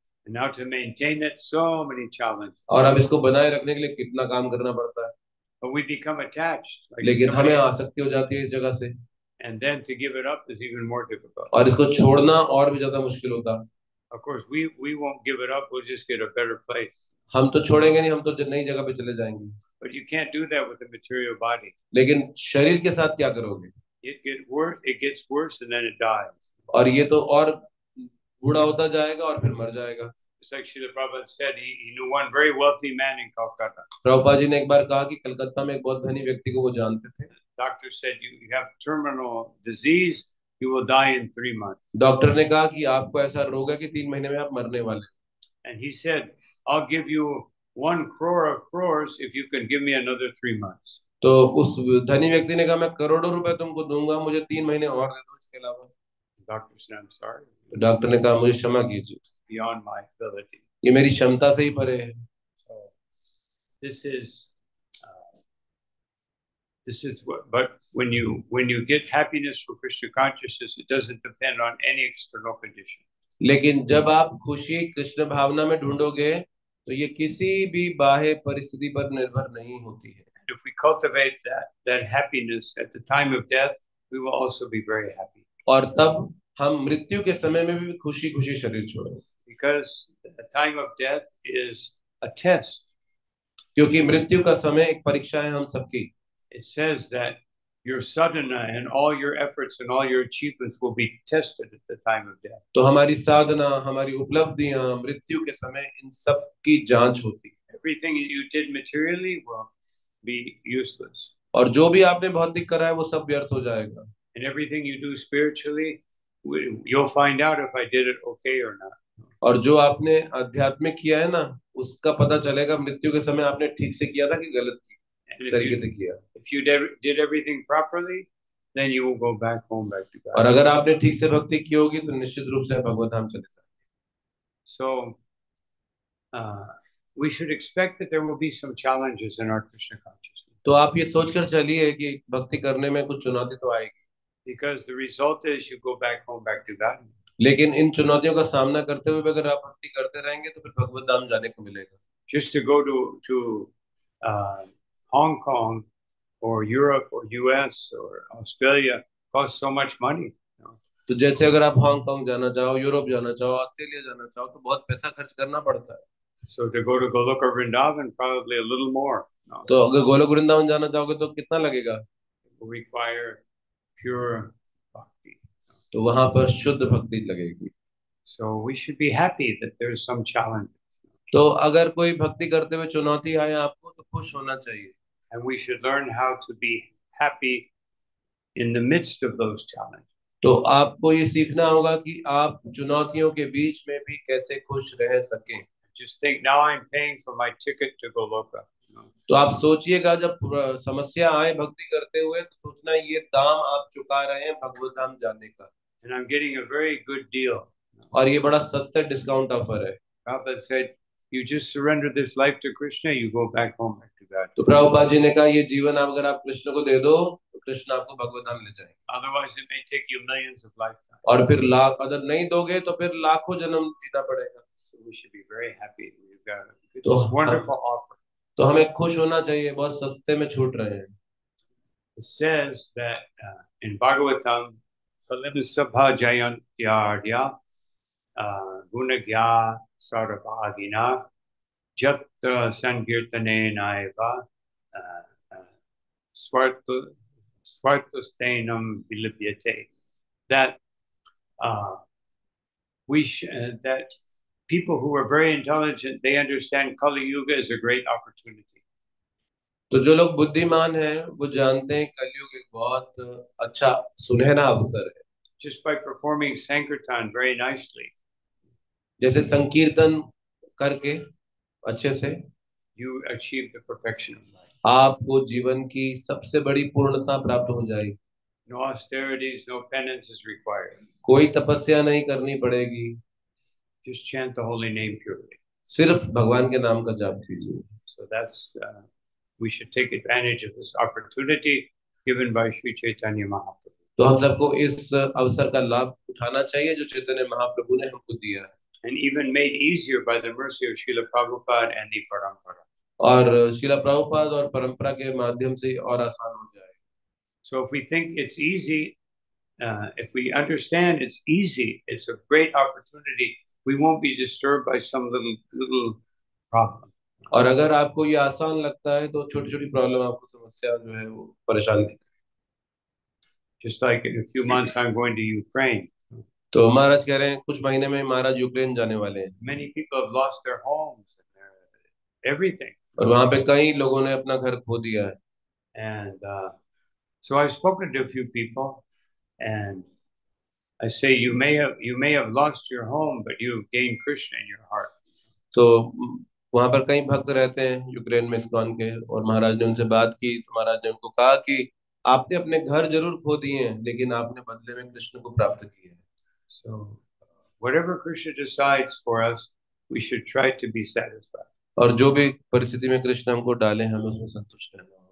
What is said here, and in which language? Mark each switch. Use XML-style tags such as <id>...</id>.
<en>And now to maintain it, so many challenges.</en> <hi>और अब इसको बनाए रखने के लिए कितना काम करना पड़ता है.</hi> <en>But we become attached.</en> <hi>Like लेकिन हमें आसक्ति हो जाती है इस जगह से.</hi> <en>And then to give it up is even more difficult.</en> <hi>और इसको छोड़ना और भी ज्यादा मुश्किल होता</hi> <en>Of course, we won't give it up. We'll just get a better place.</en> <hi>हम तो छोड़ेंगे नहीं, हम तो नई जगह पे चले जाएंगे</hi> <en>But you can't do that with the material body.</en> <hi>लेकिन शरीर के साथ क्या करोगे</hi> <en>it gets worse and then it dies.</en> <hi>और ये तो और बूढ़ा होता जाएगा और फिर मर जाएगा</hi> <en>Actually, the Prabhupada said he knew one very wealthy man in Calcutta.</en> <hi>Prabhupada ji ने एक बार कहा कि कलकत्ता में एक बहुत धनी व्यक्ति को वो जानते थे</hi> <en>Doctor said you have terminal disease. You will die in 3 months.</en> <hi>Doctor ने कहा कि आपको ऐसा रोग है कि 3 महीने में आप मरने वाले.</hi> <en>And he said, I'll give you 1 crore of crores if you can give me another 3 months.</en> <hi>तो उस धनी व्यक्ति ने कहा मैं करोड़ों रुपए तुमको दूंगा मुझे 3 महीने और दे दो इसके अलावा.</hi> <en>Doctor said, I'm sorry.</en> <hi>तो डॉक्टर ने कहा मुझे क्षमा कीजिए.</hi> <en>Beyond my ability.</en> <hi>ये मेरी क्षमता से ही परे है.</hi> <en>So, this is what, but when you get happiness for Krishna consciousness, it doesn't depend on any external condition.</en> <hi>लेकिन जब आप खुशी कृष्ण भावना में ढूंढोगे, तो ये किसी भी बाह्य परिस्थिति पर निर्भर नहीं होती है.</hi> <en>If we cultivate that happiness at the time of death, we will also be very happy.</en> <hi>और तब हम मृत्यु के समय में भी खुशी शरीर छोड़ेंगे.</hi> <en>Because the time of death is a test.</en> <hi>क्योंकि मृत्यु का समय एक परीक्षा है हम सबकी.</hi> <en>It says that your sadhana and all your efforts and all your achievements will be tested at the time of death.</en> <hi>तो हमारी साधना, हमारी उपलब्धियाँ, मृत्यु के समय इन सब की जांच होती है.</hi> <en>Everything you did materially will be useless.</en> <hi>और जो भी आपने भौतिक करा है वो सब व्यर्थ हो जाएगा.</hi> <en>And everything you do spiritually, you'll find out if I did it okay or not.</en> <hi>और जो आपने आध्यात्मिक किया है ना, उसका पता चलेगा मृत्यु के समय आपने ठीक से किया था कि गलत किया.</hi> <en>If you did everything properly, then you will go back home to God.</en> <hi>और अगर आपने ठीक से भक्ति की होगी, तो निश्चित रूप से भगवत धाम चले जाएंगे.</hi> <en>So, we should expect that there will be some challenges in our Krishna consciousness.</en> <hi>तो आप ये सोचकर चलिए कि भक्ति करने में कुछ चुनौती तो आएगी.</hi> <en>Because the result is you go back home to God.</en> <hi>लेकिन इन चुनौतियों का सामना करते हुए अगर आप भक्ति करते रहेंगे, तो फिर भगवत धाम जाने को मिलेगा.</hi> <en>Just to go to Hong Kong or Europe or US or Australia costs so much money.</en> <hi>तो जैसे अगर आप Hong Kong जाना चाहो, Europe जाना चाहो, Australia जाना चाहो, तो बहुत पैसा खर्च करना पड़ता है.</hi> <en>So to go to Goloka Vrindavan, probably a little more.</en> <hi>तो अगर गोलोक वृंदावन जाना चाहोगे तो कितना लगेगा?</hi> <en>Require pure bhakti.</en> <hi>तो वहाँ पर शुद्ध भक्ति लगेगी.</hi> <en>So we should be happy that there is some challenge.</en> <hi>तो अगर कोई भक्ति करते हुए चुनौती आए आपको तो खुश होना चाहिए.</hi> <en>And we should learn how to be happy in the midst of those challenges.</en> <hi>तो आपको ये सीखना होगा कि आप चुनौतियों के बीच में भी कैसे खुश रह सकें.</hi> <en>Just think, now I'm paying for my ticket to Goloka.</en> <hi>तो आप सोचिएगा जब समस्या आए भक्ति करते हुए तो सोचना ये दाम आप चुका रहे हैं भगवत धाम जाने का.</hi> <en>And I'm getting a very good deal.</en> <hi>और ये बड़ा सस्ते डिस्काउंट ऑफर है.</hi> <en>Prabhupada said, You just surrender this life to Krishna, you go back home to God.</en> <hi>तो प्रभुपाद जी ने कहा ये जीवन आप अगर आप कृष्ण को दे दो तो कृष्ण आपको भगवत धाम ले जाएंगे.</hi> <en>Otherwise it may take you millions of lifetimes.</en> <hi>और फिर लाख अगर नहीं दोगे तो फिर लाखों जन्म जीना पड़ेगा.</hi> <en>So we should be very happy. We've got a wonderful offer.</en> <hi>तो हमें खुश होना चाहिए बहुत सस्ते में छूट रहे हैं.</hi> <sa>It says that in Bhagavatam, Kalim Sabha Jayan Yardya, Gunagya, Sarvagina, Jatra Sankirtane Naiva, Swartha, Svartasthenam vilabhyate,</sa> <en>that that people who are very intelligent, they understand Kali Yuga is a great opportunity.</en> <hi>तो जो लोग बुद्धिमान हैं, वो जानते हैं कलयुग एक बहुत अच्छा सुनहरा अवसर है.</hi> <en>Just by performing sankirtan very nicely,</en> <hi>जैसे संकीर्तन करके अच्छे से,</hi> <en>you achieve the perfection of life.</en> <hi>आपको जीवन की सबसे बड़ी पूर्णता प्राप्त हो जाएगी.</hi> <en>No austerities, no penances required.</en> <hi>कोई तपस्या नहीं करनी पड़ेगी.</hi> <en>Just chant the holy name purely.</en> <hi>सिर्फ भगवान के नाम का जाप कीजिए.</hi> <en>So that's we should take advantage of this opportunity given by Sri Chaitanya Mahaprabhu.</en> <hi>तो हम सबको इस अवसर का लाभ उठाना चाहिए जो चैतन्य महाप्रभु ने हमको दिया है.</hi> <en>And even made easier by the mercy of Srila Prabhupada and the parampara.</en> <hi>और Srila Prabhupada और परंपरा के माध्यम से और आसान हो जाए.</hi> <en>So if we think it's easy, if we understand it's easy, it's a great opportunity. We won't be disturbed by some little problem.</en> <hi>और अगर आपको ये आसान लगता है तो छोटी-छोटी प्रॉब्लम आपको समस्या जो है वो परेशान नहीं करेगी.</hi> <en>Just like in a few months, I'm going to Ukraine.</en> <hi>तो महाराज कह रहे हैं कुछ महीने में महाराज यूक्रेन जाने वाले हैं.</hi> <en>Many people have lost their homes and their everything.</en> <hi>और वहाँ पे कई लोगों ने अपना घर खो दिया है.</hi> <en>And so I've spoken to a few people, and I say you may have lost your home, but you have gained Krishna in your heart.</en> <hi>तो वहाँ पर कई भक्त रहते हैं यूक्रेन में इस्कॉन के, और महाराज ने उनसे बात की तो महाराज ने उनको कहा कि आपने अपने घर जरूर खो दिए हैं लेकिन आपने बदले में कृष्ण को प्राप्त किया है.</hi> <en>So, whatever Krishna decides for us, we should try to be satisfied.</en> <hi>और जो भी परिस्थिति में कृष्ण हमको डाले हमें उसमें संतुष्ट रहना.</hi>